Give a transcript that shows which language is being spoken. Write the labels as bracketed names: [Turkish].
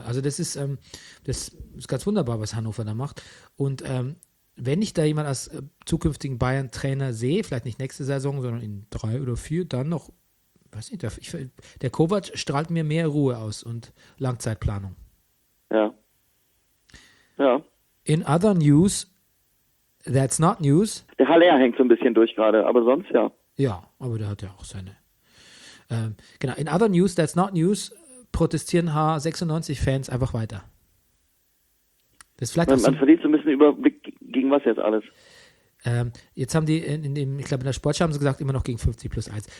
[German] Also das ist ganz wunderbar, was Hannover da macht. Und wenn ich da jemanden als zukünftigen Bayern-Trainer sehe, vielleicht nicht nächste Saison, sondern in 3 oder 4, dann noch, weiß nicht, der Kovac strahlt mir mehr Ruhe aus und Langzeitplanung. Ja. Ja. [English] In other news, that's not news. [German] Der Haller hängt so ein bisschen durch gerade, aber sonst ja. Ja, aber der hat ja auch seine. Genau, [English] in other news, that's not news, [German] protestieren H96-Fans einfach weiter. Das vielleicht man verliert so ein bisschen Überblick, gegen was jetzt alles. Jetzt haben die, ich glaube in der Sportschau haben sie gesagt, immer noch gegen 50+1.